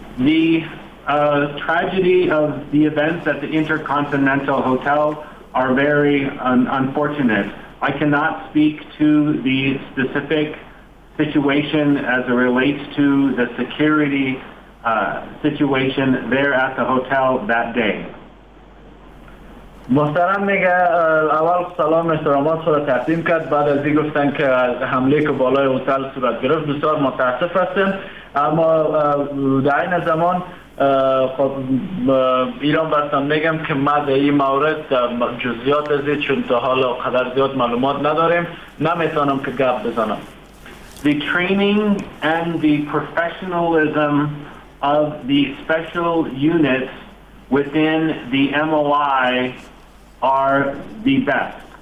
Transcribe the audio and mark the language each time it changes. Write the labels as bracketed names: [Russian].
[English] The tragedy of the events at the Intercontinental Hotel are very unfortunate. I cannot speak to the specific situation as it relates to the security situation there at the hotel that day. [Persian] محترم میگه اول سلام احترامات خود را تقدیم کرد بعد از این گفتن که از حمله که بالای هتل صورت گرفت بسیار متاسف هستم اما در این زمان خب ایران برسن میگم که ما در این مورد جزیات ازید چون تا حالا قدر زیاد معلومات نداریم نمیتونم که گپ بزنم [English] The training and the professionalism of the special units within the MOI are the best.